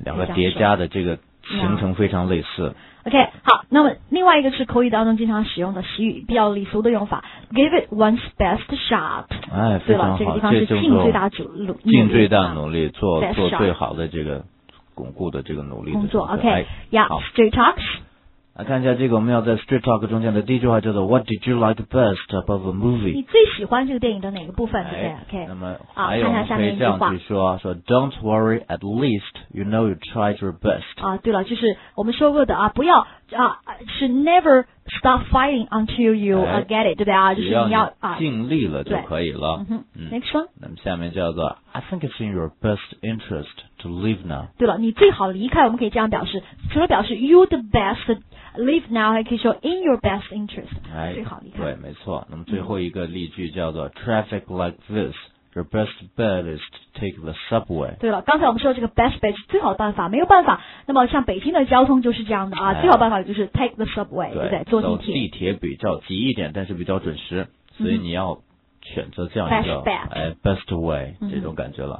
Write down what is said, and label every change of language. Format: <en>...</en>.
<zh>两个叠加的这个形成非常类似。嗯OK， 好，那么另外一个是口语当中经常使用的习语，比较礼俗的用法 ，</zh> <en>give it one's best shot，</en> <zh>哎，非常好，这个地方是尽最大努力，尽最大努力做最好的这个巩固的这个努力工作。OK，、哎、</zh> <en>yeah， straight talks。</en> <zh>来看一下这个，我们要在 straight talk 中间的第一句话叫做</zh> <en>What did you like best about the movie？</en> <zh>你最喜欢这个电影的哪个部分，对不对 ？OK，那么还有可以这样去说，说</zh> <en>Don't worry, at least you know you tried your best。</en> <zh>啊，对了，就是我们说过的啊，不要啊，是</zh> <en>never stop fighting until you、get it，</en> <zh>对不对啊？就是你要啊，尽力了就可以了。嗯、</zh> <en>Next one。</en> <zh>那么下面叫做</zh> <en>I think it's in your best interest to leave now。</en> <zh>对了，你最好离开，我们可以这样表示，除了表示</zh> <en>you the best。 Leave now, I can show in your best interest.</en> <zh>哎，对，没错。那么最后一个例句叫做、</zh> <en>Traffic like this, your best bet is to take the subway.</en> <zh>对了，刚才我们说这个 best bet 是最好的办法，没有办法。那么像北京的交通就是这样的啊，哎、最好办法就是</zh> <en>take the subway，</en> <zh>对不对？坐地铁。地铁比较急一点，但是比较准时，所以你要选择这样一个、</zh> <en>best way</en> <zh>这种感觉了。</zh>